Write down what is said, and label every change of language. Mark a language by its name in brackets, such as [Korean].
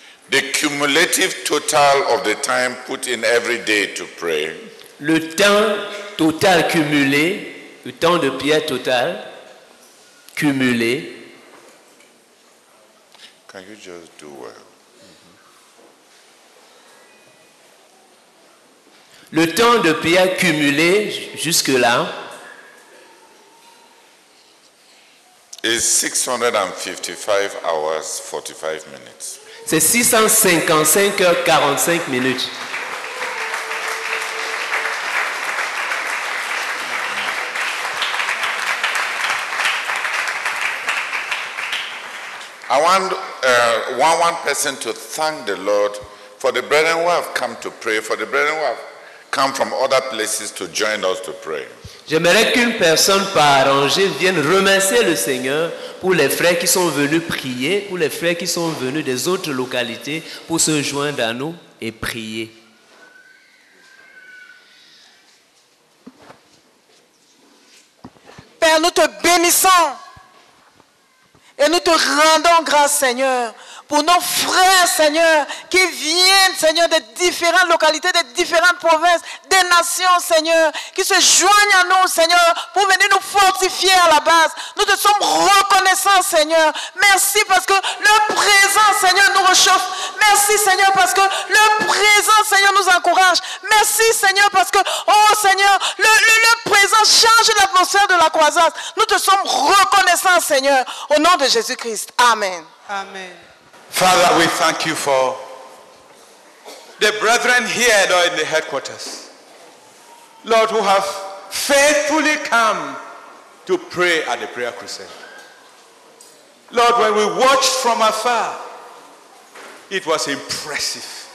[English] The cumulative total of the time put in every day to pray. [French] Le temps total cumulé, le temps de prière total cumulé. [English] Can you just do well? [French] Le temps de prière cumulé jusque là [English] is 655 hours 45 minutes. [French] C'est 655 heures 45 minutes. [English] I want one person to thank the Lord for the brethren who have come to pray, for the brethren who have come from other places to join us to pray. [French] J'aimerais qu'une personne par rangée vienne remercier le Seigneur pour les frères qui sont venus prier, pour les frères qui sont venus des autres localités pour se joindre à nous et prier. Père, nous te bénissons et nous te rendons grâce, Seigneur, pour nos frères, Seigneur, qui viennent, Seigneur, de différentes localités, de différentes provinces, des nations, Seigneur, qui se joignent à nous, Seigneur, pour venir nous fortifier à la base. Nous te sommes reconnaissants, Seigneur. Merci parce que leur présence, Seigneur, nous réchauffe. Merci, Seigneur, parce que leur présence, Seigneur, nous encourage. Merci, Seigneur, parce que, oh, Seigneur, leur présence change l'atmosphère de la croisade. Nous te sommes reconnaissants, Seigneur, au nom de Jésus-Christ. Amen. Amen. [English] Father, we thank you for the brethren here, Lord, in the headquarters. Lord, who have faithfully come to pray at the prayer crusade. Lord, when we watched from afar, it was impressive.